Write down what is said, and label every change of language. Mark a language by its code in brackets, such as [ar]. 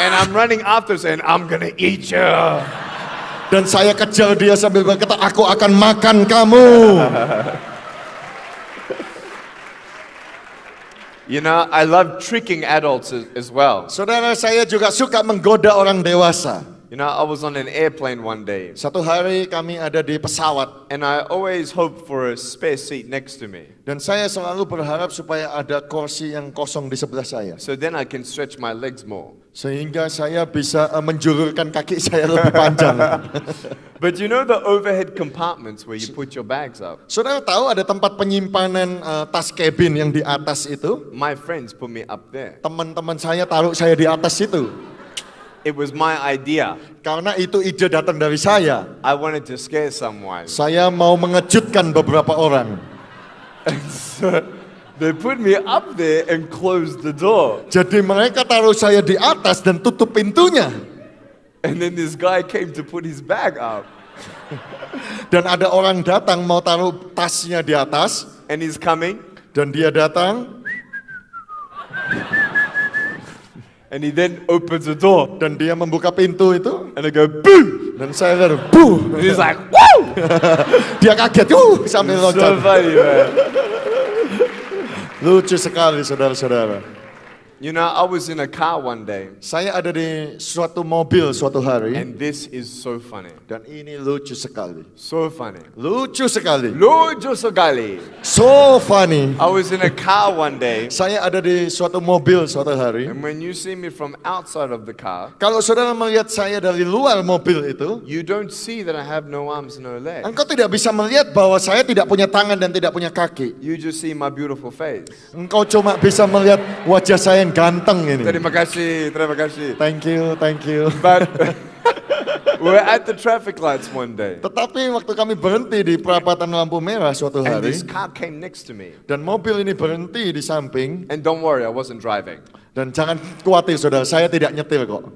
[en] And I'm running after saying, "I'm gonna eat you." [id] Dan saya kejar dia sambil berkata, "Aku akan makan kamu." [en] You know, I love tricking adults as well. [id] Saudara, saya juga suka menggoda orang dewasa. [en] You know, I was on an airplane one day. [id] Satu hari kami ada di pesawat. [en] And I always hope for a spare seat next to me. [id] Dan saya selalu berharap supaya ada kursi yang kosong di sebelah saya. [en] So then I can stretch my legs more. [id] Sehingga saya bisa menjulurkan kaki saya lebih panjang. [en] But you know the overhead compartments where you put your bags up? [id] Saudara tahu ada tempat penyimpanan tas cabin yang di atas itu? [en] My friends put me up there. [id] Teman-teman saya taruh saya di atas itu. [en] It was my idea. [id] Karena itu ide datang dari saya. [en] I wanted to scare someone. [id] Saya mau mengejutkan beberapa orang. [en] So, they put me up there and closed the door. [id] Jadi mereka taruh saya di atas dan tutup pintunya. [en] And then this guy came to put his bag up. [id] Dan ada orang datang mau taruh tasnya di atas. [en] And he's coming. [id] Dan dia datang. [en] And he then opens the door. [id] Dan dia membuka pintu itu. [en] And I go, "Boom!" [id] Dan saya kata, "Boom!" [en] And he's like, "Woo!" [id] Dia kaget, "Woo!" Sambil loncat. [en] So funny, man. [id] Lucu sekali, saudara-saudara. [en] You know, I was in a car one day. [id] Saya ada di suatu mobil suatu hari. [en] And this is so funny. [id] Dan ini lucu sekali. [en] So funny. [id] Lucu sekali. Lucu sekali. [en] So funny. I was in a car one day. [id] Saya ada di suatu mobil suatu hari. [en] And when you see me from outside of the car. [id] Kalau saudara melihat saya dari luar mobil itu. [en] You don't see that I have no arms, no legs. [id] Engkau tidak bisa melihat bahwa saya tidak punya tangan dan tidak punya kaki. [en] You just see my beautiful face. [id] Engkau cuma bisa melihat wajah saya yang ganteng ini. Terima kasih, terima kasih. [en] Thank you, thank you. But we're at the traffic lights one day. [id] Tetapi waktu kami berhenti di perapatan lampu merah suatu hari. [en] And this car came next to me. [id] Dan mobil ini berhenti di samping. [en] And don't worry, I wasn't driving. [id] Dan jangan khawatir, saudara, saya tidak nyetir kok.